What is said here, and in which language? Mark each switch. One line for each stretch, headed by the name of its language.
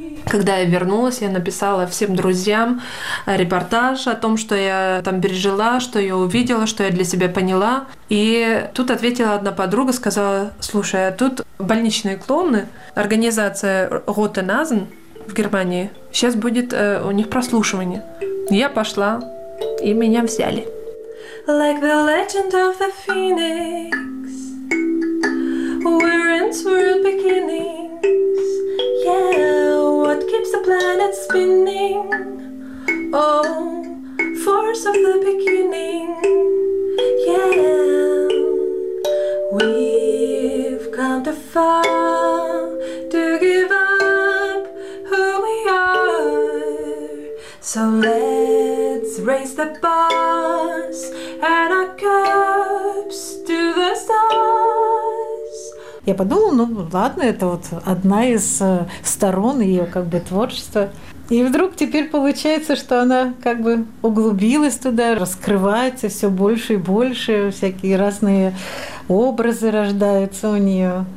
Russian: Когда я вернулась, я написала всем друзьям репортаж о том, что я там пережила, что я увидела, что я для себя поняла. И тут ответила одна подруга, сказала, слушай, а тут больничные клоуны, организация Rote Nasen в Германии, сейчас будет у них прослушивание. Я пошла, и меня взяли.
English: Like the legend of the phoenix, we're in world beginnings, yeah, what keeps the planet spinning? Oh, force of the beginning, yeah. We've come too far to give up who we are. So let's raise the bars and our cups to the stars.
Russian: Я подумала, ну ладно, это вот одна из сторон ее как бы творчества. И вдруг теперь получается, что она как бы углубилась туда, раскрывается все больше и больше, всякие разные образы рождаются у нее.